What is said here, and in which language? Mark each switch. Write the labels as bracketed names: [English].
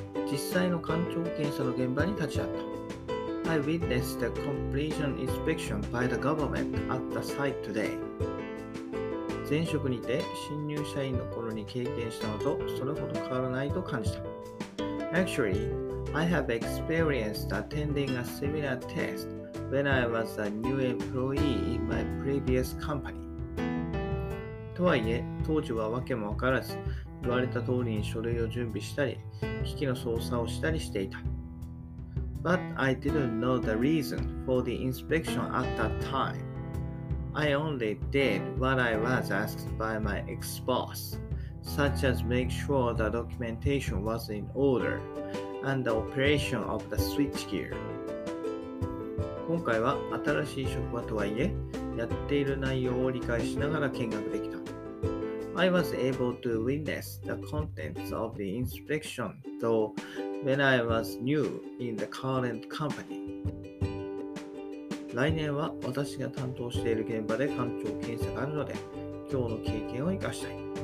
[Japanese] 実際の環境検査の現場に立ち会った。 [English] I witnessed the completion inspection by the government at the site today. [Japanese] 前職にて新入社員の頃に経験したのとそれほど変わらないと感じた。 [English] Actually, I have experienced attending a similar test when I was a new employee in my previous company. [Japanese] とはいえ、当時はわけもわからず、言われた通りに書類を準備したり、機器の操作をしたりしていた。 [English] But I didn't know the reason for the inspection at that time. I only did what I was asked by my ex-boss, such as make sure the documentation was in order and the operation of the switchgear. [Japanese] 今回は新しい職場とはいえ、やっている内容を理解しながら見学できた。 [English] I was able to witness the contents of the inspection, though when I was new in the current company. [Japanese] 来年は私が担当している現場で環境検査があるので、今日の経験を生かしたい。